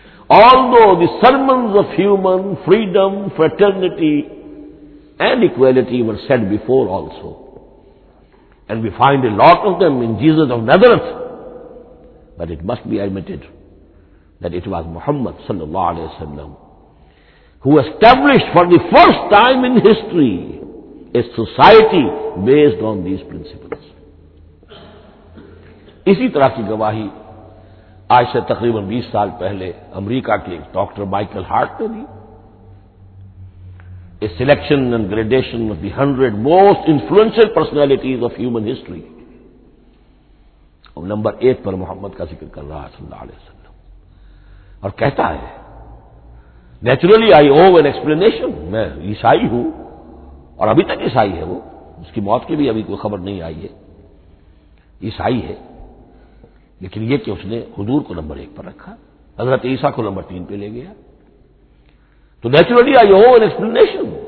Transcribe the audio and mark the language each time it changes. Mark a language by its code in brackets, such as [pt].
[en] Although the sermons of human freedom, fraternity and equality were said before also, and we find a lot of them in Jesus of Nazareth, but it must be admitted that it was Muhammad [ar] صلی اللہ علیہ وسلم [en] who established for the first time in history a society based on these principles. [ur] اسی طرح کی گواہی آج سے تقریباً 20 سال پہلے امریکہ کے ایک ڈاکٹر مائیکل ہارٹ نے دی. [en] A selection and gradation of the 100 most influential personalities of human history. [ur] اور نمبر 8 پر محمد کا ذکر کر رہا ہے [ar] صلی اللہ علیہ وسلم [ur] اور کہتا ہے [en] naturally I owe an explanation, [ur] میں عیسائی ہوں اور ابھی تک عیسائی ہے, وہ اس کی موت کی بھی ابھی کوئی خبر نہیں آئی ہے, عیسائی ہے, لیکن یہ کہ اس نے حضور کو نمبر 1 پر رکھا, حضرت عیسیٰ کو نمبر 3 پہ لے گیا, تو naturally I O an explanation.